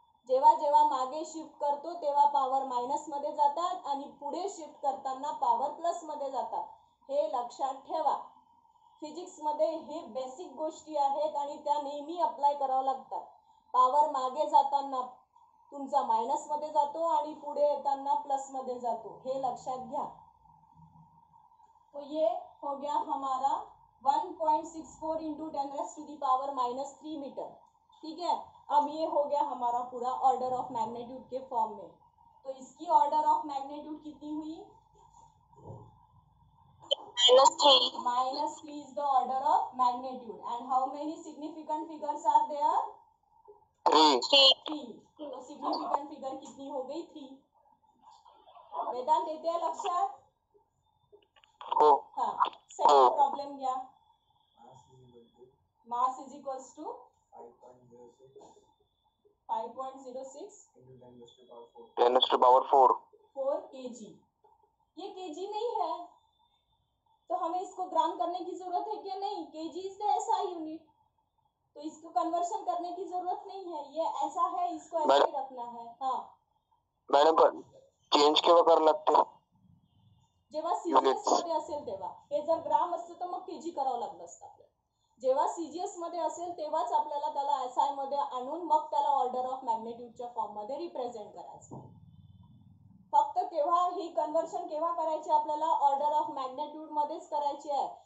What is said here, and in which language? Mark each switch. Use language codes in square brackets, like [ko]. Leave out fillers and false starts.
[mr] जेव्हा जेव्हा मागे शिफ्ट करतो तेव्हा पॉवर मायनस मध्ये जातात आणि पुढे शिफ्ट करताना पॉवर प्लस मध्ये जातात. हे लक्षात ठेवा. फिजिक्स मध्ये हे बेसिक गोष्टी आहेत आणि त्या नेहमी अप्लाय कराव्या लागतात. पॉवर मागे जाताना तुमचा मायनस मध्ये जातो आणि पुढे येताना प्लस मध्ये जातो, हे लक्षात घ्या. [hi] तो ये हो गया हमारा 1.64 into 10 [en] raise to the power [hi] minus 3 metre. ठीक है, अब ये हो गया हमारा पूरा ऑर्डर ऑफ मैग्नेट्यूड के फॉर्म में. तो इसकी ऑर्डर ऑफ मैग्नेट्यूड कितनी हुई? [en] Minus three is the order of magnitude. And how many significant figures are there? Three. [hi] तो सिग्निफिकेंट फिगर कितनी हो गई? 3. वेदांत देते हैं लक्ष्य. हाँ, सेकंड प्रॉब्लम क्या? [en] mass is equals to 5.06 [hi] 10 to power 4 kg. ये kg नहीं है तो हमें इसको ग्राम करने की जरूरत है क्या? नहीं, [en] kg is the SI unit. [hi] तो इसको कन्वर्शन करने की जरूरत नहीं है, ये ऐसा है इसको ऐसे ही रखना है। हाँ मैडम, पर चेंज के वगैरह लगते [mr] जेव्हा सीजीएस मध्ये असेल तेव्हा, हे जर ग्राम असतं तर मग केजी करावं लागलं असतं आपल्याला, जेव्हा सीजीएस मध्ये असेल तेव्हाच आपल्याला त्याला एसआय मध्ये आणून मग त्याला ऑर्डर ऑफ मॅग्नेट्यूडच्या फॉर्म मध्ये रिप्रेझेंट करायचं। फक्त केव्हा ही कन्वर्शन केव्हा करायची आपल्याला, ऑर्डर ऑफ मॅग्नेट्यूड मध्येच करायची आहे।